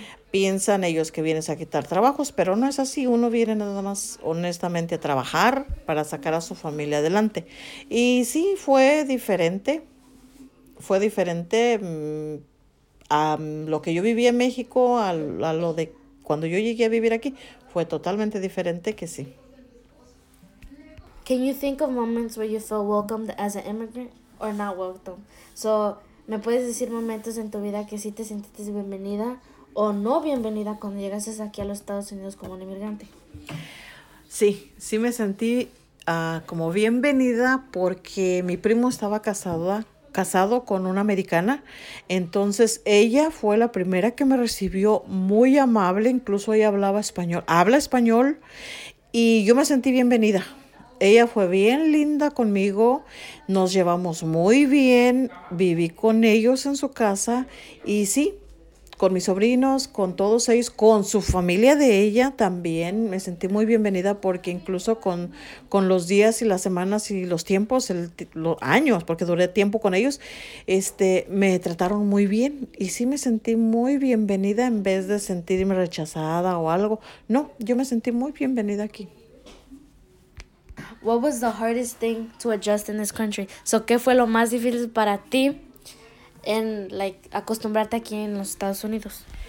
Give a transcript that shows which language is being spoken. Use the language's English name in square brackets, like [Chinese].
[Spanish] Piensan ellos que vienes a quitar trabajos, pero no es así. Uno viene nada más honestamente a trabajar para sacar a su familia adelante. Y sí, fue diferente. Fue diferente a lo que yo viví en México, a lo de cuando yo llegué a vivir aquí. Fue totalmente diferente que sí. [English] Can you think of moments where you feel welcomed as an immigrant or not welcome? [Spanish] So, ¿me puedes decir momentos en tu vida que sí te sentiste bienvenida o no bienvenida cuando llegaste aquí a los Estados Unidos como un inmigrante? Sí, sí me sentí como bienvenida porque mi primo estaba casado con una americana. Entonces ella fue la primera que me recibió muy amable. Incluso ella hablaba español. Habla español y yo me sentí bienvenida. Ella fue bien linda conmigo, nos llevamos muy bien, viví con ellos en su casa y sí, con mis sobrinos, con todos ellos, con su familia de ella también me sentí muy bienvenida porque incluso con los días y las semanas y los tiempos, los años, porque duré tiempo con ellos, me trataron muy bien y sí me sentí muy bienvenida en vez de sentirme rechazada o algo. No, yo me sentí muy bienvenida aquí. [English] What was the hardest thing to adjust in this country? [Spanish] So, ¿qué fue lo más difícil para ti en, acostumbrarte aquí en los Estados Unidos?